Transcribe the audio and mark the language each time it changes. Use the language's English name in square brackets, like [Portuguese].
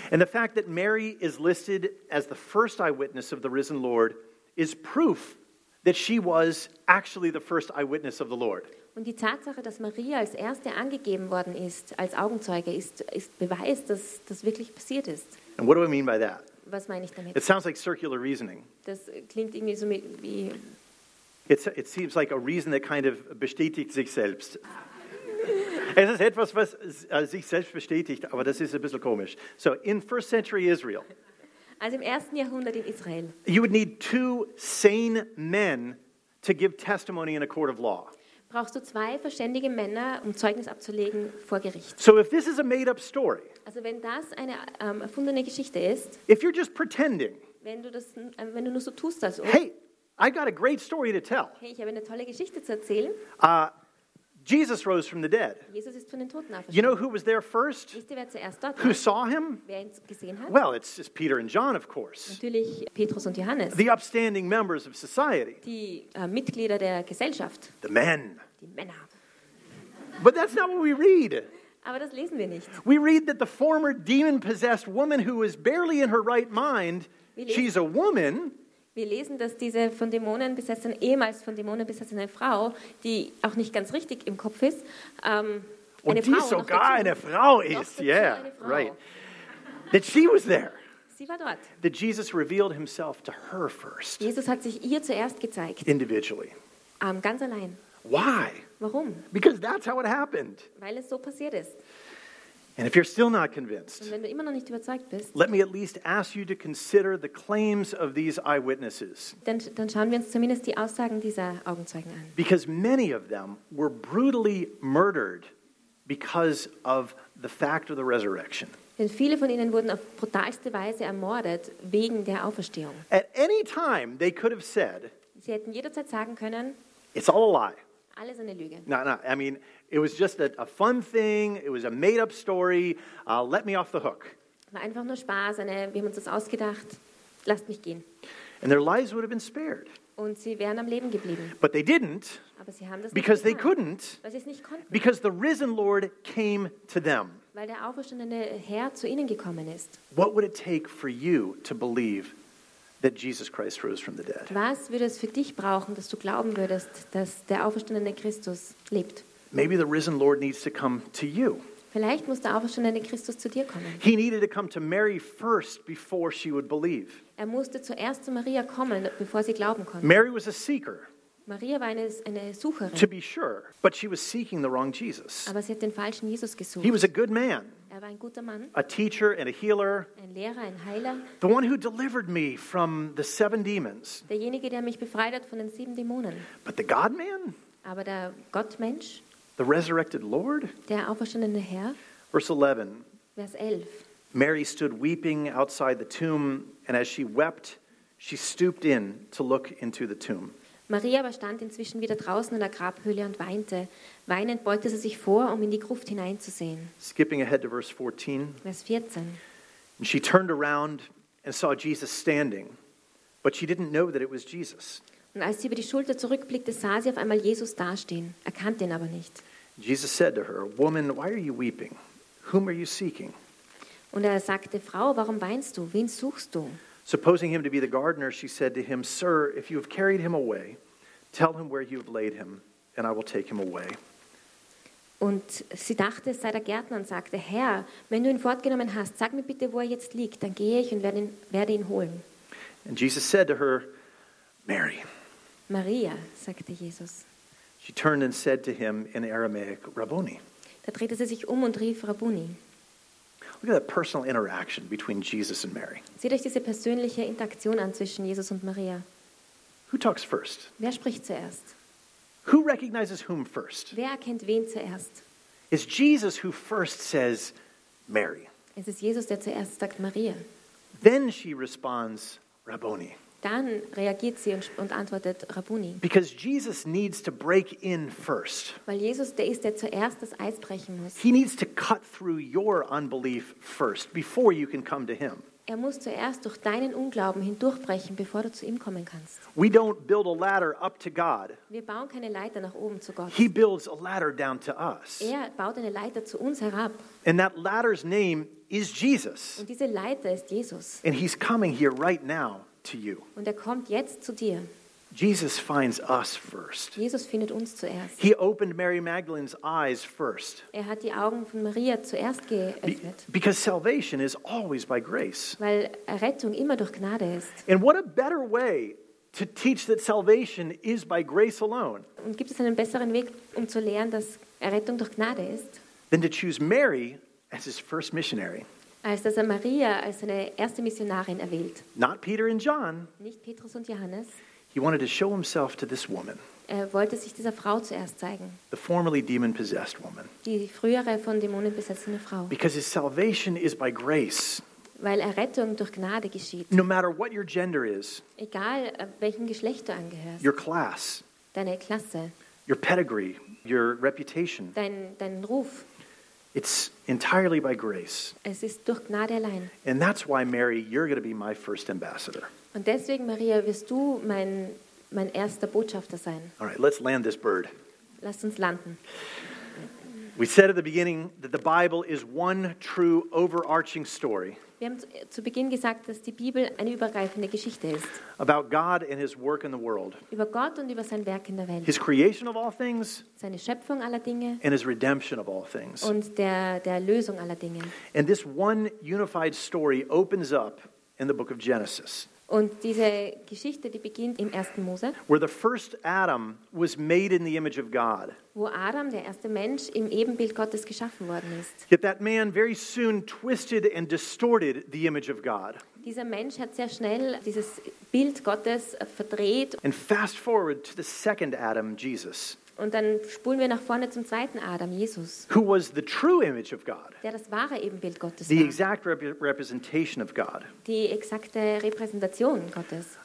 [English] And the fact that Mary is listed as the first eyewitness of the risen Lord is proof that she was actually the first eyewitness of the Lord. [German] Und die Tatsache, dass Maria als erste angegeben worden ist, als Augenzeuge, ist Beweis, dass das wirklich passiert ist. [English] And what do I mean by that? [German] Was meine ich damit? [English] It sounds like circular reasoning. [German] Das klingt irgendwie so wie... [English] It seems like a reason that kind of [German] bestätigt sich selbst. Es ist etwas, was sich selbst bestätigt, aber das ist ein bisschen komisch. [English] So, in first century Israel. [German] Also im ersten Jahrhundert in Israel. [English] You would need 2 sane men to give testimony in a court of law. [German] Brauchst du 2 verständige Männer, um Zeugnis abzulegen vor Gericht. [English] So if this is a made up story, [German] also wenn das eine erfundene Geschichte ist, [English] if you're just pretending, [German] wenn du nur so tust, als ob, [English] hey, I got a great story to tell. [German] Hey, ich habe eine tolle Geschichte zu erzählen. [English] Jesus rose from the dead. [German] Jesus ist von den Toten auferstanden. [English] You know who was there first? [German] Wisst ihr, wer zuerst dort war? [English] Who saw him? [German] Wer ihn gesehen hat? [English] Well, it's Peter and John, of course. [German] Natürlich Petrus und Johannes. [English] The upstanding members of society. [German] Die Mitglieder der Gesellschaft. [English] The men. [German] Die Männer. [English] But that's not what we read. [German] Aber das lesen wir nicht. [English] We read that the former demon-possessed woman who is barely in her right mind, she's a woman. [German] Wir lesen, dass diese von Dämonen besessene, ehemals von Dämonen besessene Frau, die auch nicht ganz richtig im Kopf ist, und eine Frau, die sogar eine Frau ist, yeah, Frau. [English] Right. That she was there. [German] Sie war dort. [English] That Jesus revealed himself to her first. [German] Jesus hat sich ihr zuerst gezeigt. [English] Individually. [German] Ganz allein. [English] Why? [German] Warum? [English] Because that's how it happened. [German] Weil es so passiert ist. [English] And if you're still not convinced, [German] und wenn du immer noch nicht überzeugt bist, [English] let me at least ask you to consider the claims of these eyewitnesses. [German] Dann schauen wir uns zumindest die Aussagen dieser Augenzeugen an. [English] Because many of them were brutally murdered because of the fact of the resurrection. [German] Denn viele von ihnen wurden auf brutalste Weise ermordet wegen der Auferstehung. [English] At any time they could have said, [German] sie hätten jederzeit sagen können, [English] it's all a lie. [German] Alles eine Lüge. [English] It was just a fun thing. It was a made-up story. Let me off the hook. [German] War einfach nur Spaß. Wir haben uns das ausgedacht. Lasst mich gehen. [English] And their lives would have been spared. [German] Und sie wären am Leben geblieben. [English] But they didn't. [German] Aber sie haben das [English] because [German] nicht [English] they couldn't. [German] Weil sie es nicht konnten. [English] Because the risen Lord came to them. [German] Weil der auferstandene Herr zu ihnen gekommen ist. [English] What would it take for you to believe that Jesus Christ rose from the dead? [German] Was würde es für dich brauchen, dass du glauben würdest, dass der auferstandene Christus lebt? [English] Maybe the risen Lord needs to come to you. [German] Vielleicht muss der auferstandene Christus zu dir kommen. [English] He needed to come to Mary first before she would believe. [German] Er musste zuerst zu Maria kommen, bevor sie glauben konnte. [English] Mary was a seeker. [German] Maria war eine Sucherin. [English] To be sure, but she was seeking the wrong Jesus. [German] Aber sie hat den falschen Jesus gesucht. [English] He was a good man. [German] Er war ein guter Mann. [English] A teacher and a healer. [German] Ein Lehrer, ein Heiler. [English] The one who delivered me from the 7 demons. [German] Derjenige, der mich befreit hat von den 7 Dämonen. [English] But the God-man? [German] Aber der Gottmensch? [English] The resurrected Lord? [German] Der auferstandene Herr? [English] Verse 11. [German] Vers 11. [English] Mary stood weeping outside the tomb, and as she wept, She stooped in to look into the tomb. [German] Maria aber stand inzwischen wieder draußen in der Grabhöhle und weinte. Weinend beugte sie sich vor, um in die Gruft hineinzusehen. [English] Skipping ahead to verse 14. [German] Vers 14. [English] And she turned around and saw Jesus standing, but she didn't know that it was Jesus. [German] Und als sie über die Schulter zurückblickte, sah sie auf einmal Jesus dastehen, erkannte ihn aber nicht. [English] Jesus said to her, "Woman, why are you weeping? Whom are you seeking?" [German] Und er sagte, Frau, warum weinst du? Wen suchst du? [English] Supposing him to be the gardener, she said to him, "Sir, if you have carried him away, tell him where you have laid him, and I will take him away." [German] Und sie dachte, es sei der Gärtner und sagte, Herr, wenn du ihn fortgenommen hast, sag mir bitte, wo er jetzt liegt, dann gehe ich und werde ihn holen. [English] And Jesus said to her, "Mary." [German] Maria, sagte Jesus. [English] She turned and said to him in Aramaic, "Rabboni." [German] Da drehte sie sich um und rief, Rabboni. [English] Look at that personal interaction between Jesus and Mary. [German] Seht euch diese persönliche Interaktion an zwischen Jesus und Maria. [English] Who talks first? [German] Wer spricht zuerst? [English] Who recognizes whom first? [German] Wer erkennt wen zuerst? [English] It's Jesus who first says, "Mary." [German] Es ist Jesus, der zuerst sagt, Maria. [English] Then she responds, "Rabboni." [German] Dann reagiert sie und antwortet, Rabboni. [English] Because Jesus needs to break in first. [German] Weil Jesus der ist, der zuerst das Eis brechen muss. [English] He needs to cut through your unbelief first, before you can come to him. [German] Er muss zuerst durch deinen Unglauben hindurchbrechen, bevor du zu ihm kommen kannst. [English] We don't build a ladder up to God. [German] Wir bauen keine Leiter nach oben zu Gott. [English] He builds a ladder down to us. [German] Er baut eine Leiter zu uns herab. [English] And that ladder's name is Jesus. [German] Und diese Leiter ist Jesus. [English] And he's coming here right now to you. [German] Und er kommt jetzt zu dir. [English] Jesus finds us first. [German] Jesus findet uns zuerst. [English] He opened Mary Magdalene's eyes first. [German] Er hat die Augen von Maria zuerst geöffnet. [English] Because salvation is always by grace. [German] Weil Errettung immer durch Gnade ist. [English] And what a better way to teach that salvation is by grace alone. [German] Und gibt es einen besseren Weg, um zu lernen, dass Errettung durch Gnade ist? [English] Than to choose Mary as his first missionary. [German] Als dass er Maria als seine erste Missionarin erwählt. [English] Not Peter and John. [German] Nicht Petrus und Johannes. [English] He wanted to show himself to this woman. [German] Er wollte sich dieser Frau zuerst zeigen. [English] The formerly demon-possessed woman. [German] Die frühere von Dämonen besessene Frau. [English] Because his salvation is by grace. [German] Weil Errettung durch Gnade geschieht. [English] No matter what your gender is. [German] Egal welchem Geschlecht du angehörst. [English] Your class. [German] Deine Klasse. [English] Your pedigree, your reputation. [German] Dein Ruf. [English] It's entirely by grace. [German] Es ist durch Gnade allein. [English] And that's why, Mary, you're going to be my first ambassador. [German] Und deswegen, Maria, wirst du mein erster Botschafter sein. [English] All right, let's land this bird. [German] Lasst uns landen. [English] We said at the beginning that the Bible is one true overarching story. [German] Wir haben zu Beginn gesagt, dass die Bibel eine übergreifende Geschichte ist. [English] About God and his work in the world. [German] Über Gott und über sein Werk in der Welt. [English] His creation of all things. [German] Seine Schöpfung aller Dinge. [English] And his redemption of all things. [German] Und der Erlösung aller Dinge. [English] And this one unified story opens up in the book of Genesis. [German] Und diese Geschichte, die beginnt im 1. Mose. [English] Where the first Adam was made in the image of God. [German] Wo Adam, der erste Mensch, im Ebenbild Gottes geschaffen worden ist. [English] Yet that man very soon twisted and distorted the image of God. [German] Dieser Mensch hat sehr schnell dieses Bild Gottes verdreht. [English] And fast forward to the second Adam, Jesus. [German] Und dann spulen wir nach vorne zum zweiten Adam, Jesus. [English] Who was the true image of God. [German] Der das wahre Ebenbild Gottes [English] the [German] war. [English] Exact representation of God. [German] Die exakte Repräsentation Gottes.